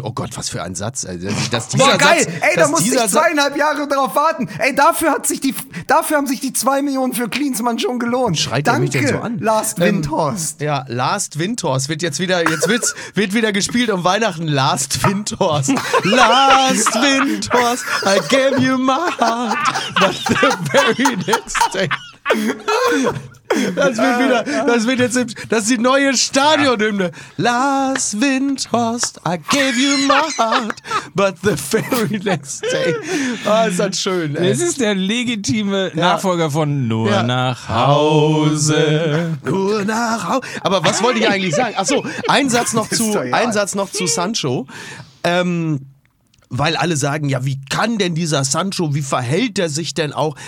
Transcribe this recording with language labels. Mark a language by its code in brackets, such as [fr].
[de] Oh Gott, was für ein Satz. Dass dieser boah, geil, Satz, ey, da musste ich zweieinhalb Jahre drauf warten. Ey, dafür haben sich die 2 Millionen für Klinsmann schon gelohnt. Schreit danke, mich denn so an? Last Windhorst. Ja, Last Windhorst wird jetzt wieder gespielt um Weihnachten. Last Windhorst. [en] Last Windhorst, I gave you my heart, but the very next day. [de] Das ist die neue Stadionhymne. [en] Lars Windhorst, I gave you my heart, but the very next day. [de] Oh, ist das schön. Es ist der legitime Nachfolger von Nur nach Hause. Nur nach Hause. Aber was wollte ich eigentlich sagen? Achso, ein Satz noch zu Sancho. Weil alle sagen, ja, wie kann denn dieser Sancho, wie verhält er sich denn auch?